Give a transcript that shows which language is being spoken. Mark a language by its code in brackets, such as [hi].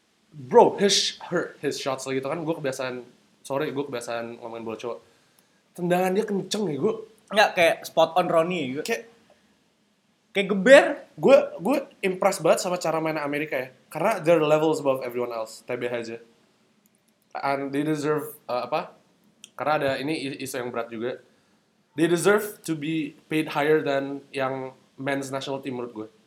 [id] Bro, his shots lagi tuh kan. Gue kebiasaan. Sorry, gue kebiasaan ngomongin bola cowok. Tendangan dia kenceng ya gue. Enggak, kayak [en] spot on [id] Rooney ya gue. Kayak geber. Gue impress banget sama cara main Amerika ya. Karena [en] they're levels above everyone else. TBH aja. And they deserve, [id] apa? Karena ada ini isu yang berat juga. [en] They deserve to be paid higher than yang men's national team [id] menurut gue.